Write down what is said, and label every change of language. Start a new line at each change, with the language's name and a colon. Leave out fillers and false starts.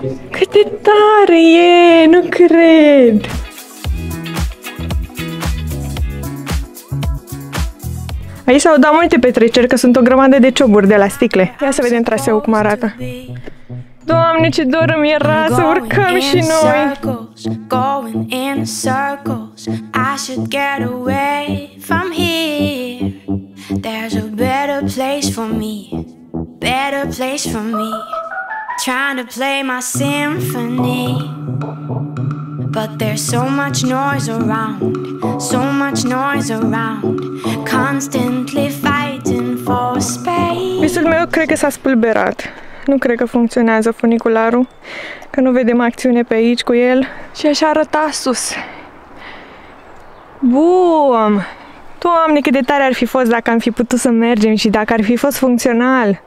Romanian: Cât de tare e! Nu cred! Aici s-au dat multe petreceri, că sunt o grămadă de cioburi de la sticle. Ia să vedem traseul cum arată. Doamne, ce dor îmi era să urcăm și noi!
English: Going in circles, I should get away from here. There's a better place for me, better place for me. Trying to play my symphony, but there's so much noise around, so much noise around, constantly fighting for space.
Romanian: Visul meu cred că s-a spulberat. Nu cred că funcționează funicularul, că nu vedem acțiune pe aici cu el. Și așa arăta sus. Bum! Doamne, cât de tare ar fi fost dacă am fi putut să mergem și dacă ar fi fost funcțional.